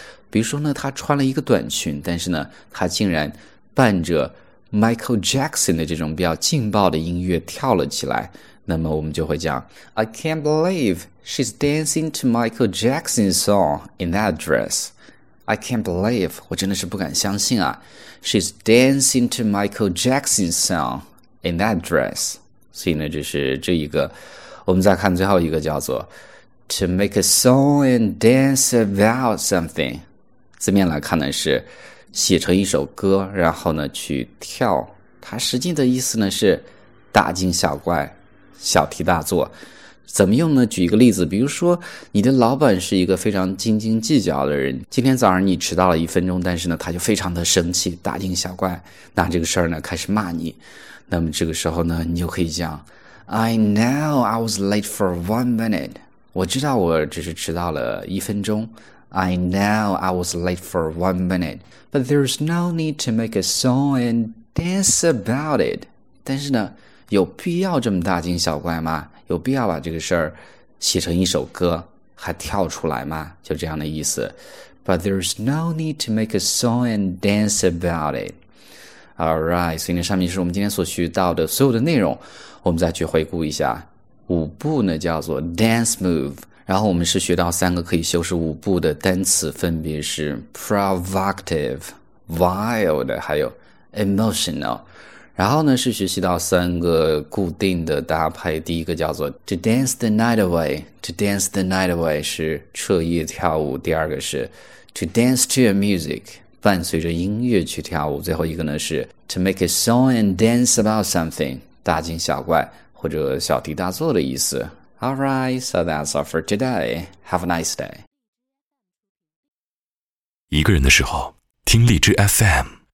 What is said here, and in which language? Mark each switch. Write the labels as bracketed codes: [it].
[zh] 比如说呢，他穿了一个短裙，但是呢他竟然伴着 Michael Jackson 的这种比较劲爆的音乐跳了起来，那么我们就会讲 [en] I can't believe she's dancing to Michael Jackson's song in that dress. I can't believe, [zh] 我真的是不敢相信啊。 [en] She's dancing to Michael Jackson's song in that dress. [zh] 所以呢，就是这一个。我们再看最后一个，叫做 [en] To make a song and dance about something. [zh] 字面来看呢，是写成一首歌，然后呢去跳。它实际的意思呢是大惊小怪，小题大做。怎么用呢？举一个例子，比如说你的老板是一个非常斤斤计较的人，今天早上你迟到了1分钟，但是呢他就非常的生气，大惊小怪，那这个事儿呢开始骂你。那么这个时候呢，你就可以讲 [en] I know I was late for 1 minute， [zh] 我知道我只是迟到了1分钟。 [en] I know I was late for 1 minute， but there's no need to make a song and dance about it， [zh] 但是呢有必要这么大惊小怪吗？有必要把这个事儿写成一首歌还跳出来吗？就这样的意思。 [en] But there's no need to make a song and dance about it. [zh] Alright， 所以呢，上面是我们今天所学到的所有的内容。我们再去回顾一下，舞步呢叫做 dance move， 然后我们是学到三个可以修饰舞步的单词，分别是 provocative、 wild 还有 emotional。然后呢，是学习到三个固定的搭配。第一个叫做 [en] to dance the night away， [zh] to dance the night away 是彻夜跳舞。第二个是 [en] to dance to a music， [zh] 伴随着音乐去跳舞。最后一个呢是 [en] to make a song and dance about something， [zh] 大惊小怪或者小题大做的意思。 [en] Alright， so that's all for today. Have a nice day. [zh] 一个人的时候听荔枝 FM。